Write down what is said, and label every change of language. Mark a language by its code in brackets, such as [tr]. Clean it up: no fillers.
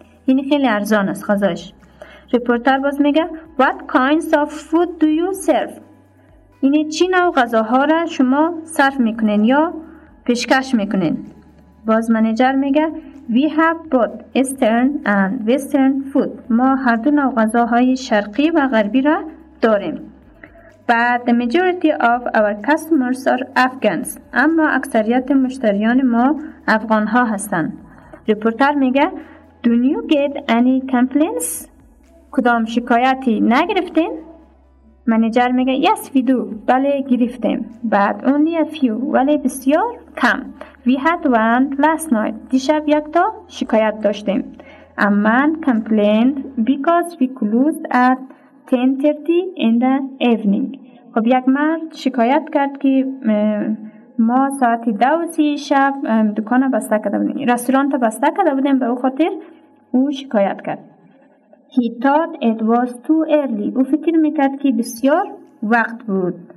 [fa] این خیلی ارزان است غذاش. ریپورتر باز میگه [en] What kinds of food do you serve? [fa] این چی نوع غذاها را شما صرف میکنین یا پیشکش میکنین؟ باز منیجر میگه [en] We have both eastern and western food. [fa] ما هر دو نوع غذاهای شرقی و غربی را داریم. [en] But the majority of our customers are Afghans. [fa] اما اکثریت مشتریان ما افغان ها هستند. ریپورتر میگه [en] Do you get any complaints? [fa] کدام شکایتی نگرفتین؟ منیجر میگه [en] Yes, we do. [fa] بله گرفتیم. [en] But only a few. [fa] ولی بسیار کم. [en] We had one last night. [fa] دیشب یک تا شکایت داشتیم. [en] A man complained because we closed at 10:30 in the evening. [fa] خب یک مرد شکایت کرد که ما ساعت 2 شب دکان بسته کرده بودیم. رستوران بسته کرده بودیم به او خاطر او شکایت کرد. [en] He thought it was too early. [fa] او فکر میکرد که بسیار وقت بود.